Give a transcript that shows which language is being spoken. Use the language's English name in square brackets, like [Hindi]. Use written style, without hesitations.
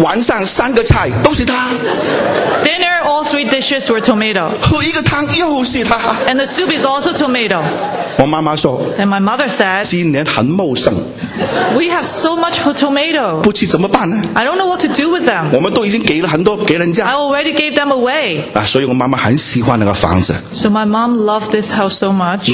[Chinese] 晚上三个菜都是她。 [English] Dinner, all three dishes were tomato. [Chinese] 喝一个汤又是她。 [English] And the soup is also tomato. [Chinese] 我妈妈说。 [English] And my mother said. [Chinese] 今年很茂盛。 [English] We have so much for tomato. [Chinese] 不吃怎么办呢？ [English] I don't know what to do with them. [Chinese] 我们都已经给了很多给人家。 [English] I already gave them away. [Chinese] 所以我妈妈很喜欢那个房子。 [English] So my mom loved this house so much.